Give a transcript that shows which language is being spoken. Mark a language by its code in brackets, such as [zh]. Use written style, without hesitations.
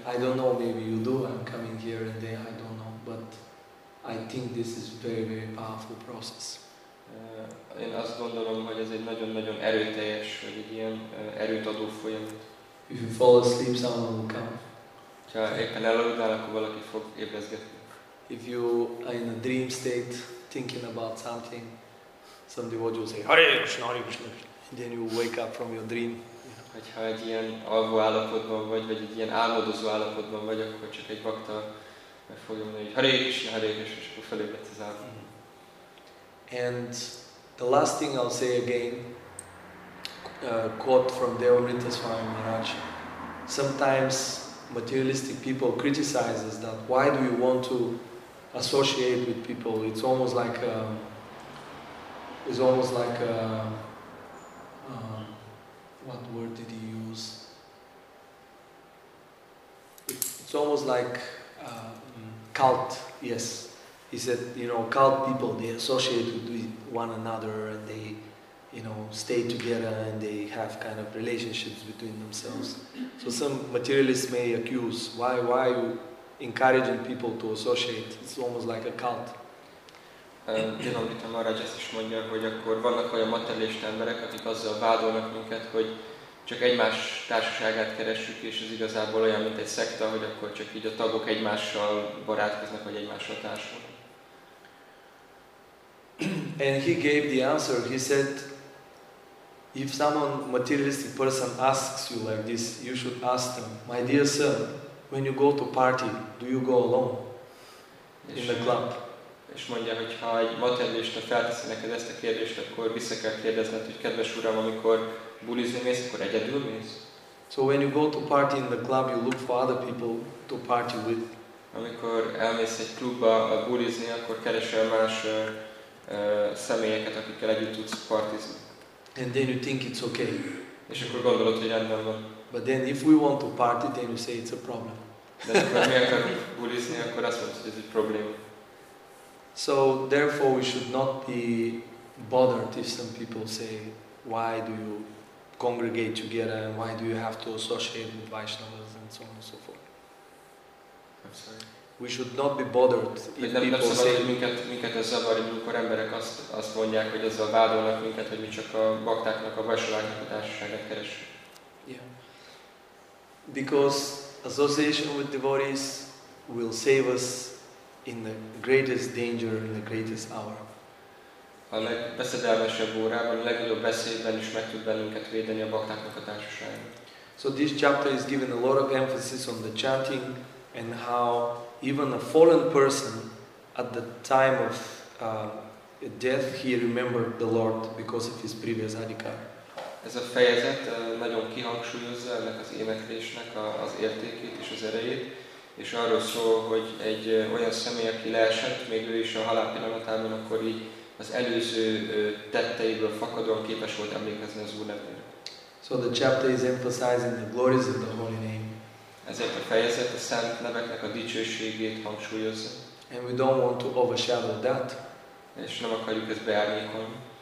[en] I don't know, maybe you do, I'm coming here and there, I don't know, but I think this is very, very powerful process. [hu] Én azt gondolom, hogy ez egy nagyon-nagyon erőteljes, vagy egy ilyen erőt adó folyamat. [en] If you fall asleep, someone will come. [hu] Ha éppen elaludnál, akkor valaki fog ébrezgetni. [en] If you are in a dream state, thinking about something, some devotee will say Hare Krishna, Hare Krishna, and then you wake up from your dream. [hu] Hogyha egy ilyen alvó állapotban vagy, vagy egy ilyen álmodozó állapotban vagy, akkor csak egy bakta meg fogja mondani, hogy Hare Krishna, Hare Krishna, és akkor felébredt az álmod. Mm-hmm. [en] And the last thing I'll say again, quote from Devamrita Swami Maharaj, sometimes materialistic people criticize us that why do you want to associate with people? It's almost like a, what word did he use? It's almost like cult, yes. He said, you know, cult people, they associate with one another and they, you know, stay together and they have kind of relationships between themselves. So some materialists may accuse, why are you encouraging people to associate? It's almost like a cult. [hu] Dinamita Maharaj ezt is mondja, hogy akkor vannak olyan materialista emberek, akik azzal vádolnak minket, hogy csak egymás társaságát keressük, és ez igazából olyan, mint egy szekta, hogy akkor csak így a tagok egymással barátkoznak, vagy egymással társulnak. [en] And he gave the answer. He said, if someone materialistic person asks you like this, you should ask them, my dear sir, when you go to party, do you go alone in the club? [hu] És mondja, hogy ha egy materialista felteszi neked ezt a kérdést, akkor vissza kell kérdezned, hogy kedves uram, amikor bulizni mész, akkor egyedül mész? [en] So when you go to party in the club, you look for other people to party with. [hu] Amikor elmész egy klubba a bulizni, akkor keresel más személyeket, akikkel együtt tudsz partizni. [en] And then you think it's okay. [hu] És akkor gondolod, hogy rendben van. [en] But then if we want to party, then you say it's a problem. [hu] De akkor mi akarunk bulizni, akkor azt mondod, hogy ez egy probléma. [en] So therefore we should not be bothered if some people say why do you congregate together and why do you have to associate with Vaishnavas and so on and so forth. I'm sorry. We should not be bothered if [hu] nem, [en] people [hu] nem [en] say [hu] minket ez zavar, amikor emberek azt mondják, hogy ezzel vádolnak minket, hogy mi csak a baktáknak a vaisnavoknak a társaságát keresünk. [en] Yeah. Because association with devotees will save us in the greatest danger, in the greatest hour. [hu] A legbeszédelmesebb órában, a legjobb beszédben is meg tud bennünket védeni a baktáknak a társaságát. [en] So this chapter is given a lot of emphasis on the chanting and how even a fallen person at the time of death, he remembered the Lord because of his previous adhikar. [hu] Ez a fejezet nagyon kihangsúlyozza ennek az éneklésnek az értékét és az erejét, és arról szól, hogy egy olyan személy, aki leesett, még ő is a halál pillanatában, akkor így az előző tetteiből fakadóan képes volt emlékezni az Úr nevére. [en] So the chapter is emphasizing the glories of the holy name. [hu] Ezért a fejezet a szent neveknek a dicsőségét hangsúlyozza. [en] And we don't want to overshadow that. [hu] És nem akarjuk ezt beárnyékolni.